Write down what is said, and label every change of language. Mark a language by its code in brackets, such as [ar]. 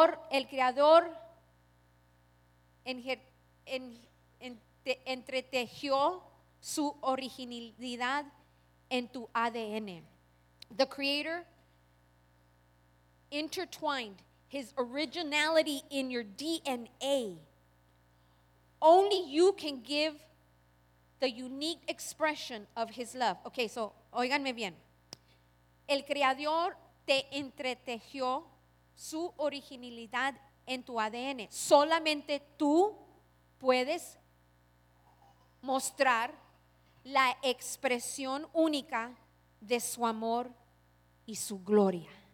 [es] El creador entretejió su originalidad en tu ADN. [en] The creator intertwined his originality in your DNA. Only you can give the unique expression of his love. [es] Okay, so óiganme bien. El creador te entretejió su originalidad en tu ADN. Solamente tú puedes mostrar la expresión única de su amor y su gloria.